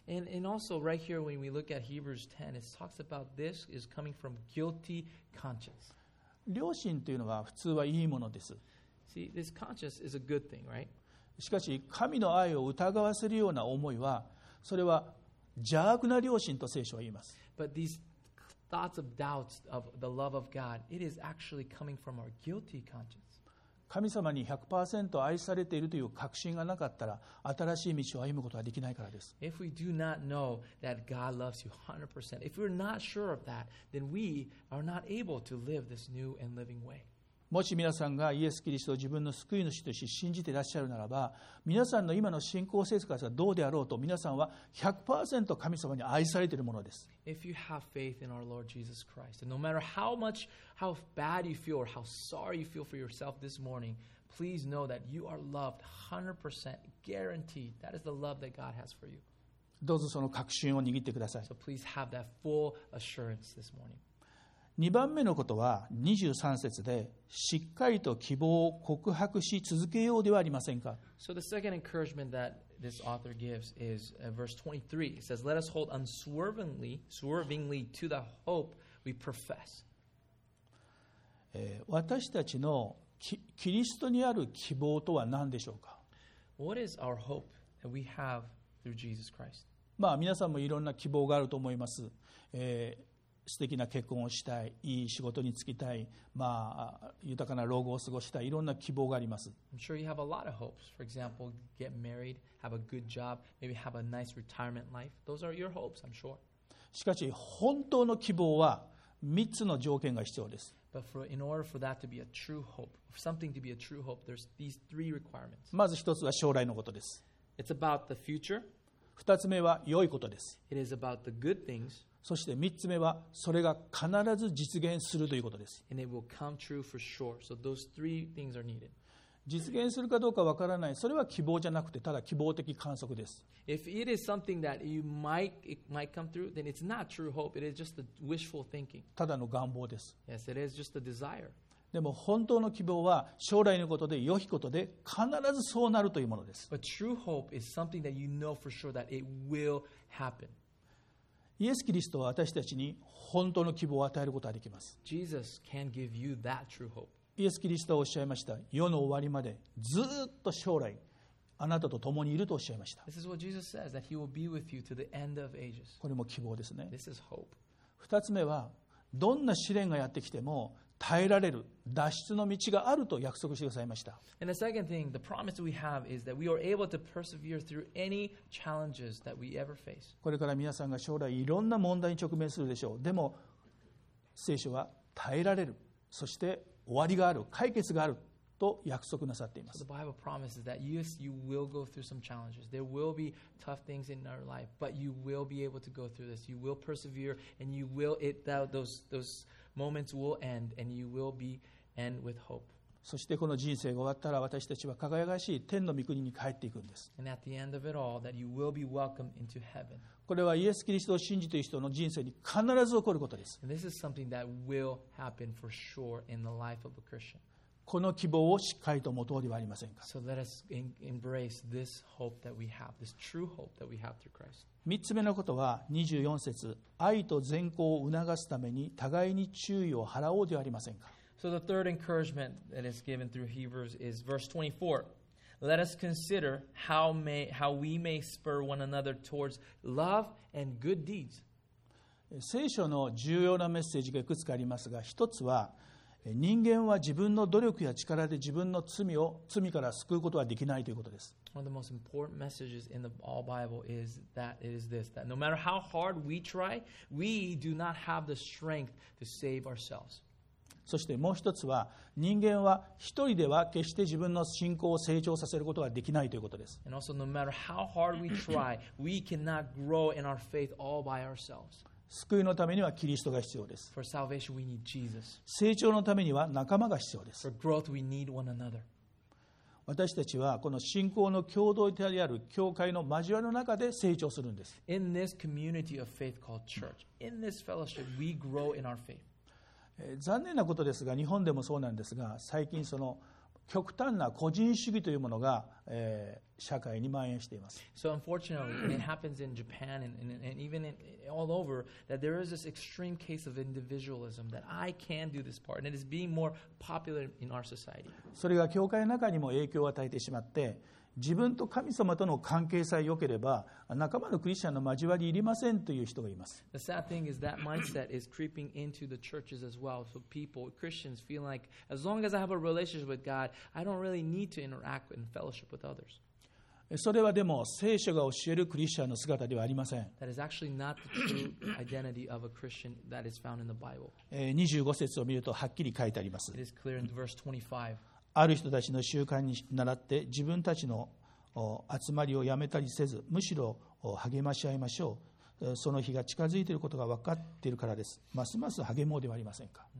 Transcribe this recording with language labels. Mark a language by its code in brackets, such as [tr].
[en] And also right here when we look at Hebrews 10, it talks about this is coming from guilty conscience. [ja] 良心というのは普通はいいものです。 [en] See, this conscience is a good thing, right? [ja] しかし神の愛を疑わせるような思いは、それは邪悪な良心と聖書は言います。 [en] But these thoughts of doubts of the love of God, it is actually coming from our guilty conscience. [ja] 神様に 100% 愛されているという確信がなかったら新しい道を歩むことはできないからです。 [en] If we do not know that God loves you 100%, if we're not sure of that, then we are not able to live this new and living way. [ja] もし皆さんがイエス・キリストを自分の救い主として信じていらっしゃるならば、皆さんの今の信仰生活がどうであろうと、皆さんは 100% 神様に愛されているものです。 [en] If you have faith in our Lord Jesus Christ, and no matter how much, how bad you feel, or how sorry you feel for yourself this morning, please know that you are loved 100% guaranteed. That is the love that God has for you. [ja] どうぞその確信を握ってください。 [en] So please have that full assurance this morning. [ja] 2番目のことは23節でしっかりと希望を告白し続けようではありませんか。 [en] So the second encouragement that this author gives is verse 23. It says, let us hold unswervingly to the hope we profess. [ja] 私たちのキリストにある希望とは何でしょうか。 [en] What is our hope that we have through Jesus Christ? [ja] まあ皆さんもいろんな希望があると思います。素敵な結婚をしたい、いい仕事に就きたい、まあ、豊かな老後を過ごしたい、いろんな希望があります。 [en] I'm sure you have a lot of hopes. For example, get married, have a good job, maybe have a nice retirement life. Those are your hopes, I'm sure. [ja] しかし、本当の希望は3つの条件が必要です。 [en] But for, in order for that to be a true hope, for something to be a true hope, there's these three requirements. [ja] まず1つは将来のことです。 [en] It's about the future. [ja] 2つ目は良いことです。 [en] It is about the good things. [ja] そして3つ目はそれが必ず実現するということです。 [en] And it will come true for sure. So those three things are needed. [ja] 実現するかどうかわからない。それは希望じゃなくてただ希望的観測です。 [en] If it is something that you might come through, then it's not true hope. It is just a wishful thinking. [ja] ただの願望です。 [en] Yes, it is just a desire. [ja] でも本当の希望は将来のことで良いことで必ずそうなるというものです。 [en] But true hope is something that you know for sure that it will happen. [ja] イエス・キリストは私たちに本当の希望を与えることができます。 [en] Jesus can give you that true hope. [ja] イエス・キリストはおっしゃいました。世の終わりまでずっと将来あなたと共にいるとおっしゃいました。 [en] This is what Jesus says, that he will be with you to the end of ages. [ja] これも希望ですね。 [en] This is hope. [ja] 二つ目は、どんな試練がやってきても耐えられる脱出の道があると約束してくださいました。 [en] And the second thing, the promise we have is that we are able to persevere through any challenges that we ever face. [ja] これから皆さんが将来いろんな問題に直面するでしょう。でも聖書は耐えられる、そして終わりがある、解決があると約束なさっています。 [en] So、the Bible promises that yes, you will go through some challenges. There will be tough things in our life, but you will be able to go through this. You will persevere, and you will it that those moments will end, and you will be end with hope. [ja] そしてこの人生が終わったら私たちは輝かしい天の御国に帰っていくんです。 [en] And at the end of it all, that you will be welcomed into heaven. [ja] これはイエス・キリストを信じている人の人生に必ず起こることです。 [en] And this is something that will happen for sure in the life of a Christian. [ja] この希望をしっかりと持とうではありませんか。 [en] So let us embrace this hope that we have, this true hope that we have through Christ. [ja] 3つ目のことは24節、愛と善行を促すために互いに注意を払おうではありませんか。 [en] So the third encouragement that is given through Hebrews is verse 24. Let us consider how we may spur one another towards love and good deeds. [ja] 聖書の重要なメッセージがいくつかありますが、一つは人間は自分の努力や力で自分の罪から救うことはできないということです。 [en] One of the most important messages in the all Bible is that it is this, that no matter how hard we try, we do not have the strength to save ourselves. [ja] そしてもう一つは、人間は一人では決して自分の信仰を成長させることはできないということです。 [en] And also, no matter how hard we try, we cannot grow in our faith all by ourselves. [ja] 救いのためにはキリストが必要です。 [en] For salvation, we need Jesus. [ja] 成長のためには仲間が必要です。 [en] For growth, we need one another. [ja] 私たちはこの信仰の共同体である教会の交わりの中で成長するんです。 [en] In this community of faith called church, in this fellowship, we grow in our faith. [ja] 残念なことですが、日本でもそうなんですが、最近その極端な個人主義というものが、社会に蔓延しています。 [en] So unfortunately, it happens in Japan and even all over that there is this extreme case of individualism that I can do this part and it is being more popular in our society. [ja] それが教会の中にも影響を与えてしまって、自分と神様との関係さえ良ければ仲間のクリスチャンの交わりいりませんという人がいます。 [en] The sad thing is that mindset is creeping into the churches as well. So people, Christians feel like as long as I have a relationship with God, I don't really need to interact and fellowship with others. [ja] それはでも聖書が教えるクリスチャンの姿ではありません。 [en] That is actually not the true identity of a Christian that is found in the Bible. [ja] 25節を見るとはっきり書いてあります。 [en] It is clear in verse 25. [ja] ある人たちの習慣に習って自分たちの集まりをやめたりせず、むしろ励まし合いましょう。その日が近づいていることが分かっているからです。ますます励もうではありませんか。